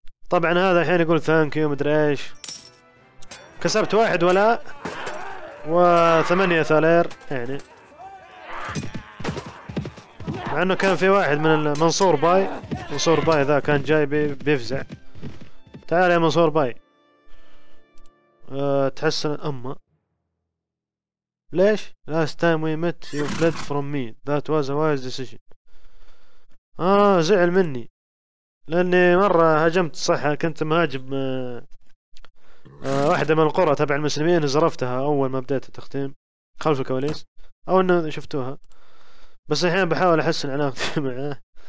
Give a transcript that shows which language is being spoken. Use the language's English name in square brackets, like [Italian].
[Arabic] طبعا هذا الحين يقول ثانك يو مدري ايش، كسبت واحد ولاء وثمانية ثالير، يعني مع انه كان في واحد من المنصور باي، منصور باي ذا كان جاي بيفزع، تعال يا منصور باي تحسن الامه. ليش؟ [English] Last time we met you fled from me. That was a wise decision. [Arabic] زعل مني لاني مرة هجمت، صح كنت مهاجم واحدة من القرى تبع المسلمين، زرفتها اول ما بديت التختيم. خلف الكواليس او انه شفتوها، بس احيانا بحاول احسن علاقتي معاه.